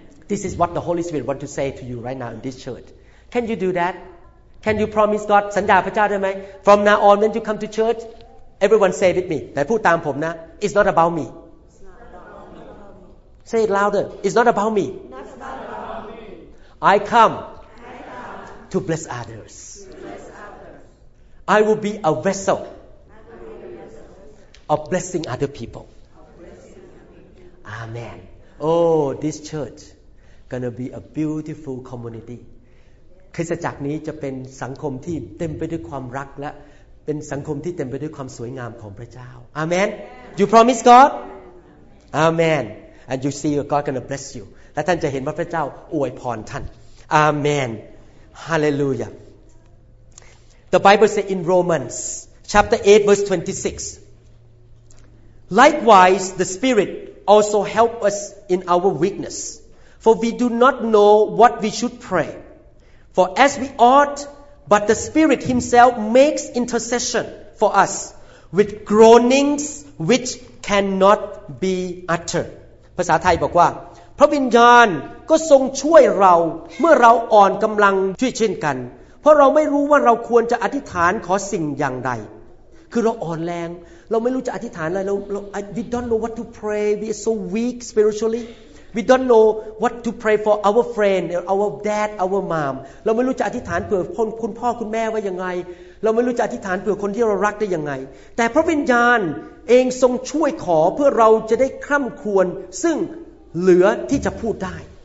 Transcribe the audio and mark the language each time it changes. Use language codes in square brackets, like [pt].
[en] This is what the Holy Spirit want to say to you right now in this church Can you do that Can you promise God [th] สัญญาพระเจ้าได้ไหม [en] From now on when you come to church everyone say with me [th] แต่พูดตามผมนะ [en] It's not about me Say it louder It's not about me I comeTo bless others. I will be a vessel of blessing other people. Amen. Oh, this church gonna be a beautiful community. [th] คริสตจักรนี้จะเป็นสังคมที่เต็มไปด้วยความรักและเป็นสังคมที่เต็มไปด้วยความสวยงามของพระเจ้า Amen. [en] You promise God? Amen. And you see God gonna bless you. และท่านจะเห็นว่าพระเจ้าอวยพรท่าน Amen. Hallelujah. The Bible says in Romans chapter 8 verse 26. Likewise, the Spirit also helps us in our weakness. For we do not know what we should pray. For as we ought, but the Spirit himself makes intercession for us with groanings which cannot be uttered. [th] ภาษาไทยบอกว่าพระวิญญาณก็ทรงช่วยเราเมื่อเราอ่อนกำลังช่วยเช่นกันเพราะเราไม่รู้ว่าเราควรจะอธิษฐานขอสิ่งอย่างใด คือเราอ่อนแรงเราไม่รู้จะอธิษฐานอะไรเรา [en] we don't know what to pray we are so weak spiritually we don't know what to pray for our friend our dad our mom [th] เราไม่รู้จะอธิษฐานเผื่อคุณพ่อคุณแม่ว่ายังไงเราไม่รู้จะอธิษฐานเผื่อคนที่เรารักได้ยังไงแต่พระวิญญาณเองทรงช่วยขอเพื่อเราจะได้คร่ำครวญซึ่งเหลือที่จะพูดได้